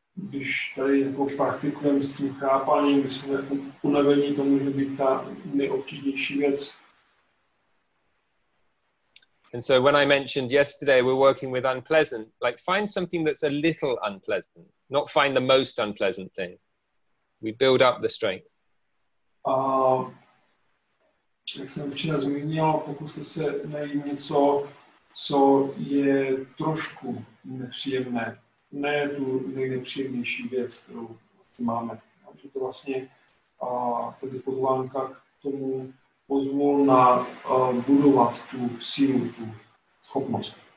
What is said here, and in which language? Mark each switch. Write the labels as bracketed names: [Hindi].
[Czech] Když tady jako praktikujeme s tím chrápáním, když jsme jako unavení, to může být ta nejobtížnější věc. [English] And so when I mentioned yesterday, we're working with unpleasant, like find something that's a little unpleasant, not find the most unpleasant thing. We build up the strength. [Czech] Jak jsem včera zmínil, pokuste se najít něco, co je trošku nepříjemné. Ne tu nejnepříjemnější věc, kterou máme. Takže to vlastně tady pozvánka k tomu, pozvol na budovat tu sílu, tu schopnost.